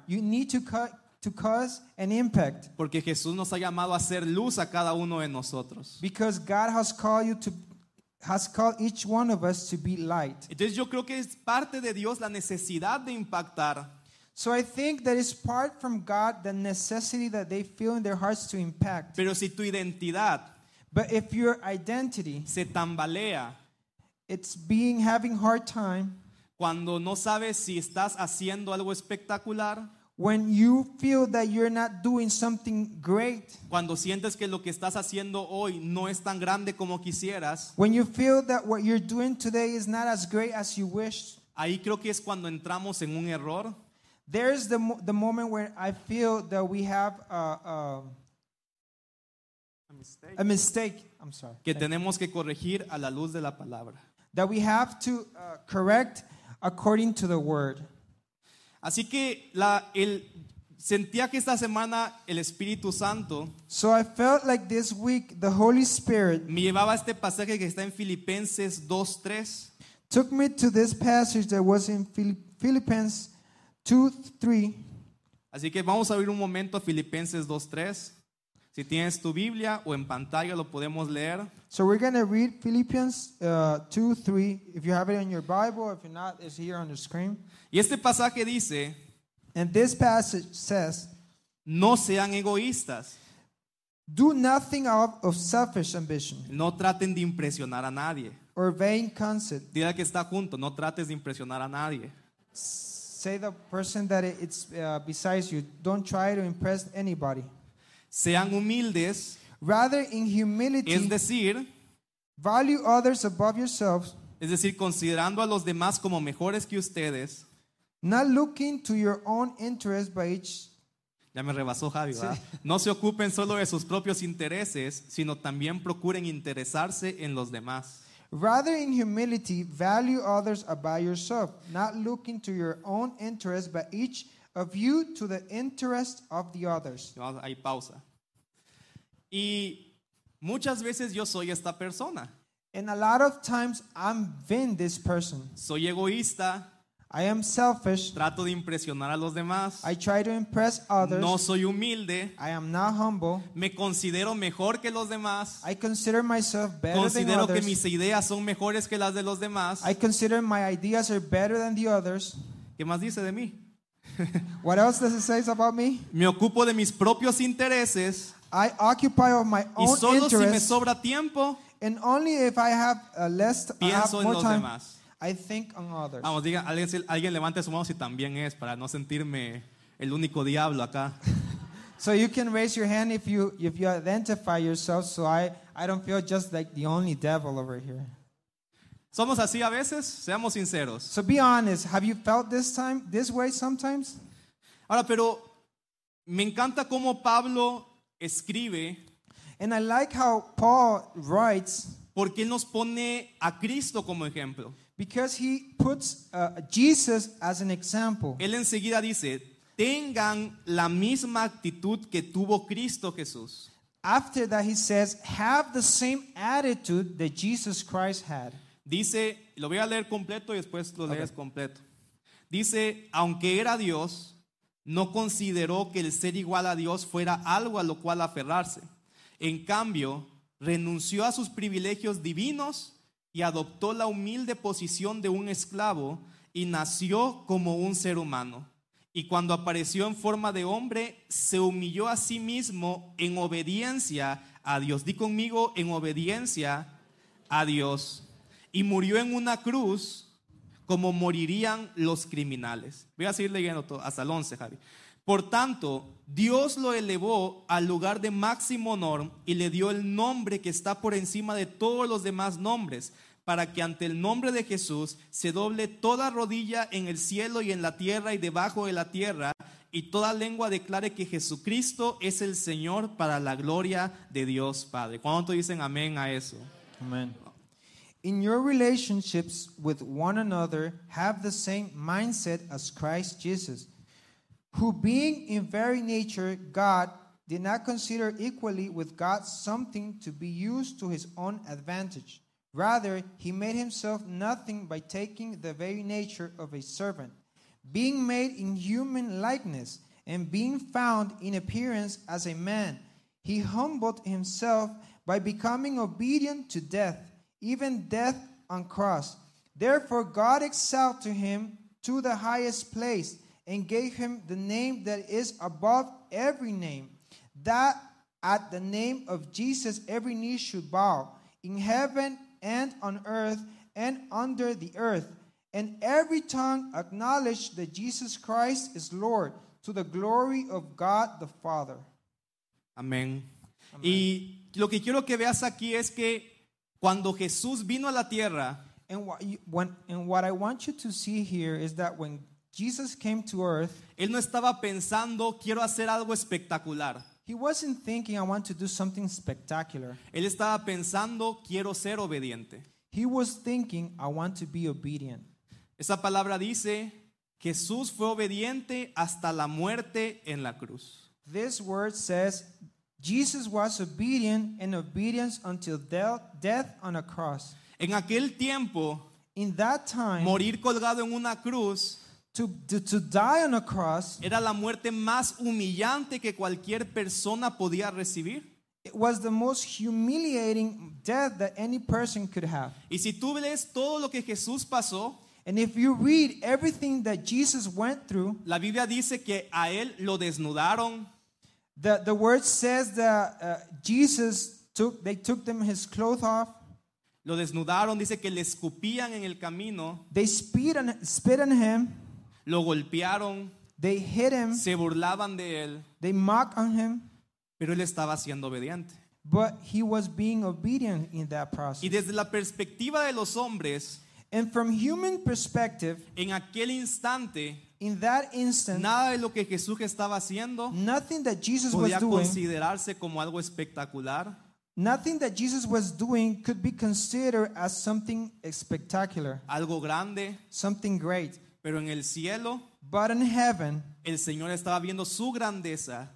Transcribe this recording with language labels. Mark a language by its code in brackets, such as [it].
[en] You need to cause an impact. [es] Porque Jesús nos ha llamado a hacer luz a cada uno de nosotros. [en] Because God has called you to has called each one of us to be light. [es] Entonces yo creo que es parte de Dios la necesidad de impactar. [en] So I think that it's part from God the necessity that they feel in their hearts to impact. [es] Pero si tu identidad, [en] but if your identity, [es] se tambalea, [en] it's being having hard time, [es] cuando no sabes si estás haciendo algo espectacular, [en] when you feel that you're not doing something great, [es] cuando sientes que lo que estás haciendo hoy no es tan grande como quisieras, [en] when you feel that what you're doing today is not as great as you wished, [es] ahí creo que es cuando entramos en un error. [en] There's the moment where I feel that we have a mistake. I'm sorry. [es] Que tenemos que corregir a la luz de la palabra. [en] That we have to correct according to the word. [es] Así que sentía que esta semana el Espíritu Santo, [en] so I felt like this week the Holy Spirit, [es] me llevaba a este pasaje que está en Filipenses 2:3. [en] Took me to this passage that was in Philippians 2:3. [es] Así que vamos a abrir un momento a Filipenses 2:3. Si tienes tu Biblia o en pantalla lo podemos leer. [en] So we're going to read Philippians 2:3. If you have it in your Bible, if you're not, it's here on the screen. [es] Y este pasaje dice, [en] and this passage says, [es] no sean egoístas. [en] Do nothing out of selfish ambition. [es] No traten de impresionar a nadie. [en] Or vain conceit. [es] Dile que está junto, no trates de impresionar a nadie. [en] Say the person that it's besides you, don't try to impress anybody. [es] Sean humildes. [en] Rather in humility. [es] Es decir, [en] value others above yourselves. [es] Es decir, considerando a los demás como mejores que ustedes. [en] Not looking to your own interest by each. [es] Ya me rebasó Javi, ¿verdad? No se ocupen solo de sus propios intereses, sino también procuren interesarse en los demás. [en] Rather in humility, value others above yourself. Not looking to your own interest by each of you to the interest of the others. [es] Ahí pausa. Y muchas veces yo soy esta persona. [en] And a lot of times I've been this person. [es] Soy egoísta. [en] I am selfish. [es] Trato de impresionar a los demás. [en] I try to impress others. [es] No soy humilde. [en] I am not humble. [es] Me considero mejor que los demás. [en] I consider myself better than others. [es] Considero que mis ideas son mejores que las de los demás. [en] I consider my ideas are better than the others. [es] ¿Qué más dice de mí? [en] What else does it say about me? [es] Me ocupo de mis propios intereses. [en] I occupy of my own interests. [es] Y solo interest, si me sobra tiempo. [en] And only if I have less time. [es] Pienso en los [en] time, [es] demás. [en] I think on others. [es] Vamos, diga, alguien levante su mano si también es para no sentirme el único diablo acá. [en] So you can raise your hand if you identify yourself, so I don't feel just like the only devil over here. [es] Somos así a veces, seamos sinceros. [en] So be honest, have you felt this way sometimes? [es] Ahora, pero me encanta cómo Pablo escribe. [en] And I like how Paul writes, [es] porque él nos pone a Cristo como ejemplo. [en] Because he puts Jesus as an example. [es] Él enseguida dice, tengan la misma actitud que tuvo Cristo Jesús. [en] After that he says, have the same attitude that Jesus Christ had. [es] Dice, lo voy a leer completo y después lo lees completo. Dice, aunque era Dios, no consideró que el ser igual a Dios fuera algo a lo cual aferrarse. En cambio, renunció a sus privilegios divinos y adoptó la humilde posición de un esclavo y nació como un ser humano. Y cuando apareció en forma de hombre, se humilló a sí mismo en obediencia a Dios. Di conmigo, en obediencia a Dios. Y murió en una cruz como morirían los criminales. Voy a seguir leyendo todo, hasta el 11, Javi. Por tanto, Dios lo elevó al lugar de máximo honor y le dio el nombre que está por encima de todos los demás nombres, para que ante el nombre de Jesús se doble toda rodilla en el cielo y en la tierra y debajo de la tierra, y toda lengua declare que Jesucristo es el Señor para la gloria de Dios Padre. ¿Cuánto dicen amén a eso? Amén. [en] In your relationships with one another, have the same mindset as Christ Jesus, who being in very nature God, did not consider equally with God something to be used to his own advantage. Rather, he made himself nothing by taking the very nature of a servant, being made in human likeness, and being found in appearance as a man. He humbled himself by becoming obedient to death, even death on cross. Therefore, God exalted him to the highest place and gave him the name that is above every name, that at the name of Jesus every knee should bow, in heaven and on earth and under the earth, and every tongue acknowledge that Jesus Christ is Lord, to the glory of God the Father. [es] Amén. Y lo que quiero que veas aquí es que cuando Jesús vino a la tierra, [en] and what I want you to see here is that when Jesus came to earth, [es] él no estaba pensando, quiero hacer algo espectacular. [en] He wasn't thinking, I want to do something spectacular. [es] Él estaba pensando, quiero ser obediente. [en] He was thinking, I want to be obedient. [es] Esa palabra dice, Jesús fue obediente hasta la muerte en la cruz. [en] This word says, Jesus was obedient and obedience until death on a cross. [es] En aquel tiempo, [en] in that time, [es] morir colgado en una cruz, [en] to die on a cross, [es] era la muerte más humillante que cualquier persona podía recibir. [en] It was the most humiliating death that any person could have. [es] Y si tú lees todo lo que Jesús pasó, [en] and if you read everything that Jesus went through, [es] la Biblia dice que a él lo desnudaron. [en] The word says that they took them his clothes off. [es] Lo desnudaron, dice que le escupían en el camino. [en] They spit on him. [es] Lo golpearon. [en] They hit him. [es] Se burlaban de él. [en] They mock on him. [es] Pero él estaba siendo obediente. [en] But he was being obedient in that process. [es] Y desde la perspectiva de los hombres, [en] and from human perspective, [es] en aquel instante, [en] in that instant, [es] nada de lo que Jesús estaba haciendo, [en] nothing that Jesus [es] podía [en] was [es] considerarse [en] doing, [es] como algo espectacular. [en] Nothing that Jesus was doing could be considered as something spectacular. [es] Algo grande. [en] Something great. [es] Pero en el cielo, [en] but in heaven, [es] el Señor estaba viendo su grandeza.